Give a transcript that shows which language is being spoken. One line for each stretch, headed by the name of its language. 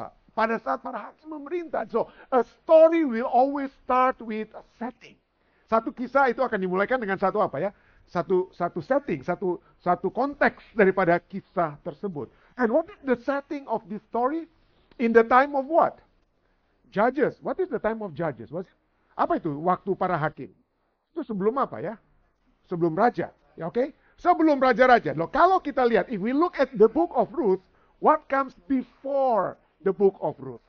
Indonesian: Pada saat para hakim memerintah.
English: So, a story will always start with a setting.
Indonesian: Satu kisah itu akan dimulaikan dengan satu apa ya? Satu setting, satu konteks daripada kisah tersebut.
English: And what is the setting of this story? In the time of what? Judges. What is the time of judges?
Indonesian: Apa itu waktu para hakim? Itu sebelum apa ya? Sebelum raja, ya, oke? Okay? Sebelum raja-raja. Loh, kalau kita lihat,
English: if we look at the book of Ruth, what comes before the book of Ruth?